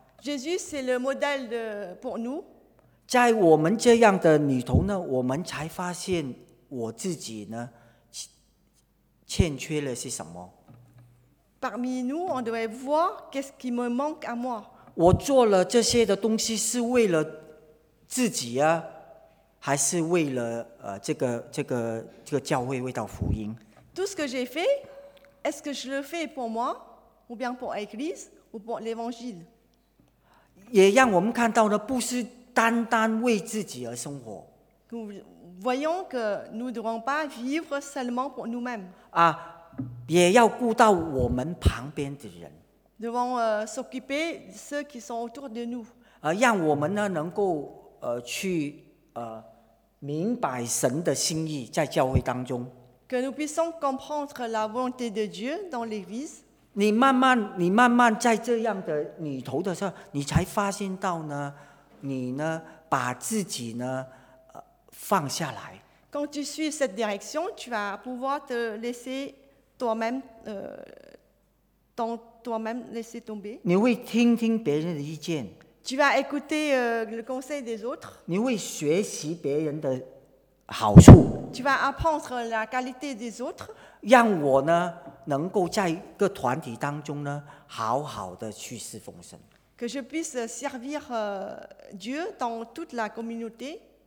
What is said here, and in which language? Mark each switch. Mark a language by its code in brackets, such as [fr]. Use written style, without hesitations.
[fr] Jésus, c'est le modèle de, pour nous. [zh] 在我们这样的里头呢，我们才发现我自己呢，欠缺了是什么。 [fr] Parmi nous, on devrait voir qu'est-ce qui me manque à moi. [zh] 我做了这些的东西是为了自己啊，还是为了这个教会为到福音。 [fr] Tout ce que j'ai fait, est-ce que je le fais pour moi, ou bien pour l'Église, ou pour l'Évangile? [zh] 也让我们看到呢，不是单单为自己而生活。 [fr] Nous voyons que nous ne devons pas vivre seulement pour nous-mêmes. [zh] 啊，也要顾到我们旁边的人。 [fr] Devons s'occuper ceux qui sont autour de nous. [zh] 啊，让我们呢能够去明白神的心意在教会当中。 [fr] Que nous puissions comprendre la volonté de Dieu dans l'Église. [zh] 你慢慢在这样的里头的时候，你才发现到呢，你呢把自己呢放下来。 [fr] Quand tu suis cette direction, tu vas pouvoir te laisser toi-même, toi-même laisser tomber. [zh] 你会听听别人的意见。 [fr] Tu vas écouter le conseil des autres. [zh] 你会学习别人的好处。 [fr] Tu vas apprendre la qualité des autres. [zh] 让我呢能够在一个团体当中呢好好的去侍奉神。 [fr] Que je puisse servir Dieu dans toute la communauté.